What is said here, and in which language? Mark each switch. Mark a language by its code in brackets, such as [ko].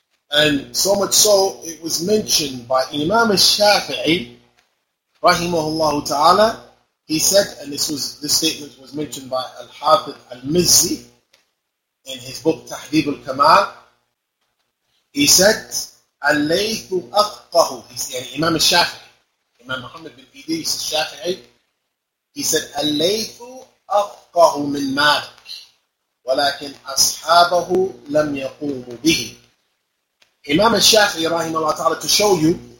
[en] And so much so, it was mentioned by Imam al-Shafi'i, rahimahullahu ta'ala, he said, and this statement was mentioned by al-Hafidh al-Mizzi in his book Tahdhib al-Kamal, he said, al-Layth aqqahu, Imam al-Shafi'i, Imam Muhammad bin Idris al-Shafi'i, he said, al-Layth aqqahu min Malik, [ar] ولكن أصحابه لم يقوموا به. [en] Imam al-Shafi'i رحمه الله تعالى, to show you